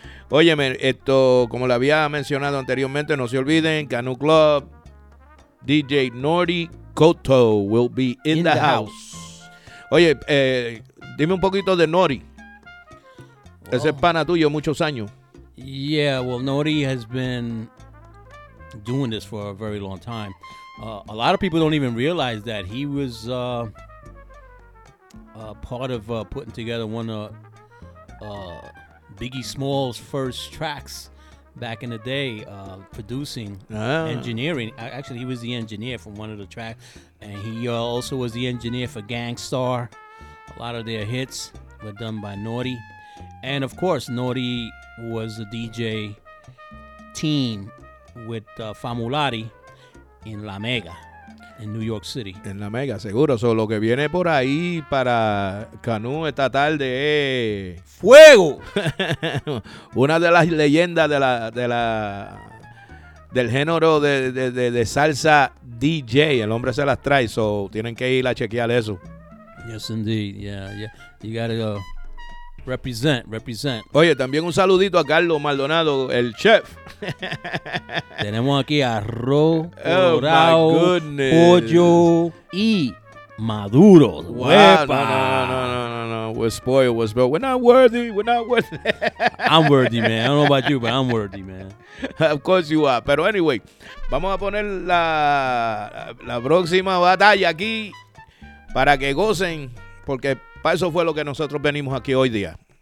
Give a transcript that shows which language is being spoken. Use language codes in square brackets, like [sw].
[es] Óyeme, esto, como le había mencionado anteriormente, no se olviden, Canoe Club. [en] DJ Nordy Koto will be in the house. [es] Oye, dime un poquito de Nordy. Wow. Ese es pana tuyo muchos años. [en] Yeah, well, Nordy has been doing this for a very long time. A lot of people don't even realize that he was part of putting together one of Biggie Small's first tracks. Back in the day, producing, engineering. Actually, he was the engineer for one of the tracks. And he also was the engineer for Gangstar. A lot of their hits were done by Nordy. And, of course, Nordy was the DJ team with Famulari in La Mega, in New York City. [es] En La Mega, seguro. So, lo que viene por ahí para Canú esta tarde es... ¡Fuego! Una de las leyendas del género de salsa DJ. El hombre se las trae, so tienen que ir a chequear eso. [en] Yes, indeed. Yeah. You gotta go. Represent. [es] Oye, también un saludito a Carlos Maldonado, el chef. Tenemos aquí arroz, colorado, pollo y maduro. [en] Wow. ¡Epa! No. We're spoiled. We're not worthy. I'm worthy, man. I don't know about you, but I'm worthy, man. Of course you are. [es] Pero [en] anyway, [es] vamos a poner la próxima batalla aquí para que gocen, porque para eso fue lo que nosotros venimos aquí hoy día.